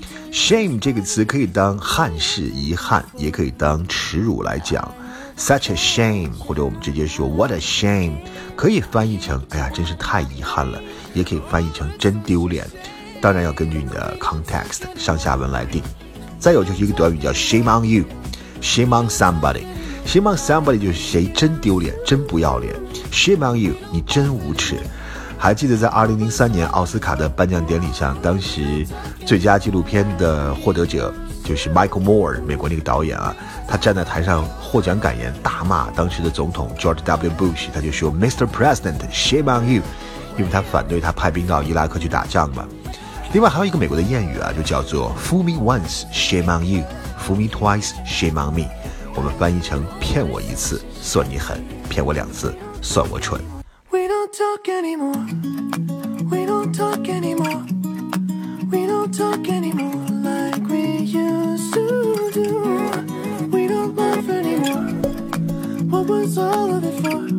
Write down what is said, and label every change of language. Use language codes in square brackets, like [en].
[zh] Shame 这个词可以当憾事遗憾，也可以当耻辱来讲。 Such a shame， 或者我们直接说 [en] What a shame， [zh] 可以翻译成哎呀真是太遗憾了，也可以翻译成真丢脸，当然要根据你的 context 上下文来定。再有就是一个短语叫 Shame on you， Shame on somebody。 Shame on somebody 就是谁真丢脸真不要脸。 Shame on you， 你真无耻。还记得在2003年奥斯卡的颁奖典礼上，当时最佳纪录片的获得者就是 Michael Moore， 美国那个导演啊，他站在台上获奖感言大骂当时的总统 George W. Bush， 他就说 [en] Mr. President shame on you， [zh] 因为他反对他派兵到伊拉克去打仗嘛。另外还有一个美国的谚语啊，就叫做 [en] Fool me once shame on you， Fool me twice shame on me， [zh] 我们翻译成骗我一次算你狠，骗我两次算我蠢。 [en] We don't talk anymore, We don't talk anymore, We don't talk anymore like we used to do, We don't love anymore, What was all of it for?